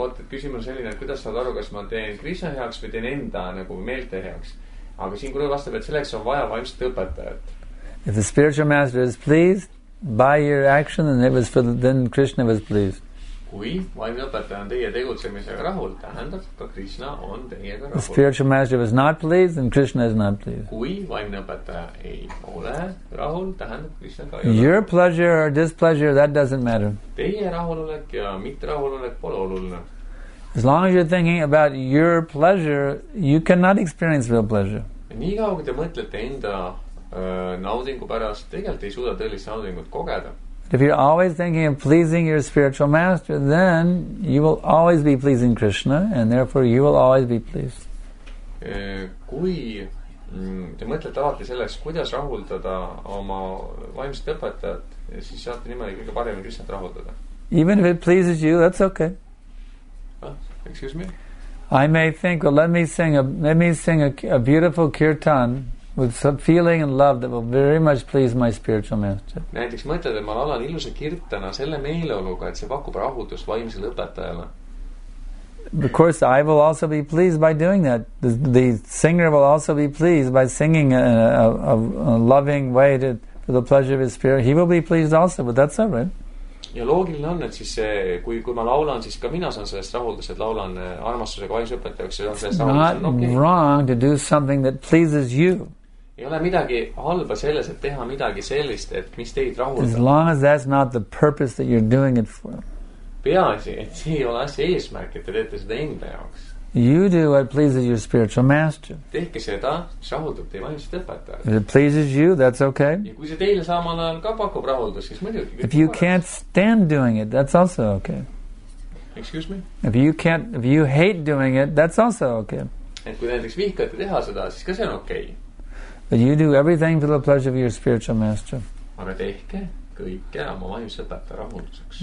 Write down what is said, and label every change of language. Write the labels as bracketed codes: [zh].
[et] Küsimus on selline, et kuidas saad aru, kas ma teen Krishna heaks või teen enda nagu meelte heaks. Aga siin kuru vastab, et selleks on vaja vaimset õpetajat. [en] If the spiritual master is pleased by your action, then it was for then Krishna was pleased. [et] Kui vaimne õpetaja on teie tegutsemisega rahul, tähendab, ka Krishna on teiega rahul. [en] The spiritual master was not pleased and Krishna is not pleased. [et] Kui vaimne õpetaja ei ole rahul, tähendab, Krishna ka ei ole. [en] Your pleasure or displeasure, that doesn't matter. [et] Teie rahululek ja mitte rahululek pole oluline. [en] As long as you're thinking about your pleasure, you cannot experience real pleasure. [et] Nii kaua, kui te mõtlete enda naudingu pärast, tegelikult ei suuda tõelist naudingut kogeda. [en] If you're always thinking of pleasing your spiritual master, then you will always be pleasing Krishna, and therefore you will always be pleased. [et] Kui te mõtlete alati selleks, kuidas rahuldada oma vaimset õpetajat, siis saate niimoodi kõige paremini Krishna rahuldada. [en] Even if it pleases you, that's okay. Excuse me? I may think, well, let me sing a beautiful kirtan with some feeling and love that will very much please my spiritual master. [et] Näiteks mõtled, et ma olen iluse kirtana selle meeleoluga, et see pakub rahutust vaimsele õpetajale. [en] Of course, I will also be pleased by doing that. The singer will also be pleased by singing a loving way to the pleasure of his spirit. He will be pleased also, but that's all right. [et] Ja loogiline on, et siis see, kui ma laulan, siis ka mina saan sellest rahuldas, et laulan armastusega vaisõpetajaks. [en] It's not wrong to do something that pleases you. [et] Ei ole midagi halba selles, et teha midagi sellist, et mis teid rahuldab. [en] As long as that's not the purpose that you're doing it for. [et] Peaasi, et see ei ole asja eesmärk, et te teete seda enda jaoks. [en] You do what pleases your spiritual master. [et] Tehke seda, rahuldab teie vaimset õpetajat. [en] If it pleases you, that's okay. [et] Ja kui see teile samal ajal ka pakub rahuldus, siis muidugi. [en] If you can't stand doing it, that's also okay. Excuse me? If you hate doing it, that's also okay. [et] Et kui näiteks vihkate teha seda, siis ka see on okay. [en] But you do everything for the pleasure of your spiritual master. [et] Aga tehke kõike oma vaimset õpetaja rahulduseks.